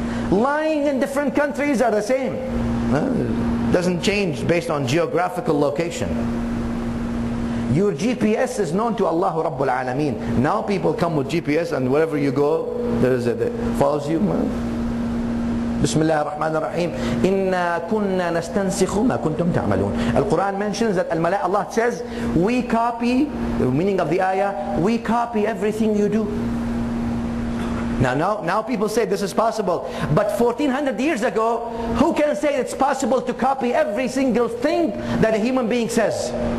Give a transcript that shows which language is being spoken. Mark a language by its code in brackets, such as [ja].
[en] Lying in different countries are the same. Doesn't change based on geographical location. Your GPS is known to Allah Rabbul Alameen. Now people come with GPS, and wherever you go, there is a follows you. [ar] بسم الله الرحمن الرحيم إن كنا نستنسخ ما كنتم تعملون. [en] القرآن mentions that Allah says we copy, the meaning of the ayah, we copy everything you do. Now people say this is possible, but 1400 years ago, who can say it's possible to copy every single thing that a human being says?